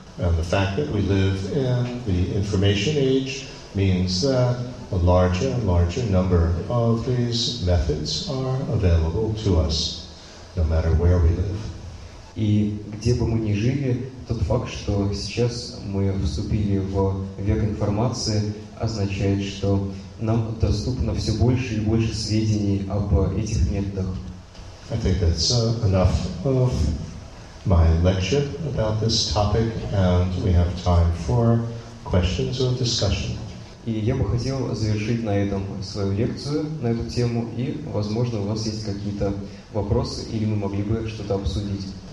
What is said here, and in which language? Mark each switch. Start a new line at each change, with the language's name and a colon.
English: And the fact that we live in the information age means that a larger and larger number of these methods are available to us, no matter where we live.
Russian: И где бы мы ни жили, тот факт, что сейчас мы вступили в век информации, означает, что нам доступно все больше и больше сведений об этих методах.
English: I think that's enough of my lecture about this topic, and we have time for questions or discussion.
Russian: И я бы хотел завершить на этом свою лекцию на эту тему, и, возможно, у вас есть какие-то вопросы, или мы могли бы что-то обсудить.